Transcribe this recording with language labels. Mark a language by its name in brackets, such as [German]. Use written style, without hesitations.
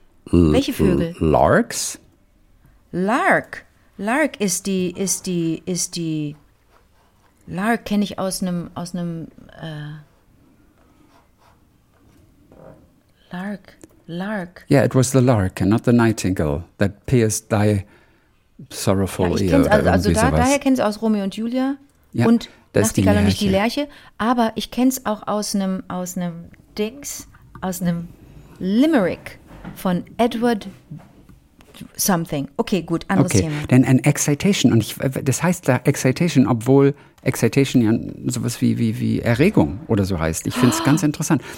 [German] welche Vögel? Larks. Lark. Lark ist die, Lark kenne ich aus einem, Lark. [English] Yeah, it was the lark and not the nightingale that pierced thy sorrowful ear. [German] Ja, daher kenne ich es aus Romeo und Julia. Ja. Und das ist die Lerche. Nicht die Lerche, aber ich kenne es auch aus einem Dings, aus einem Limerick von Edward something. Okay, gut, anderes okay. Thema. Denn an excitation, und ich, das heißt da excitation, obwohl excitation ja sowas wie Erregung oder so heißt. Ich finde es ganz interessant.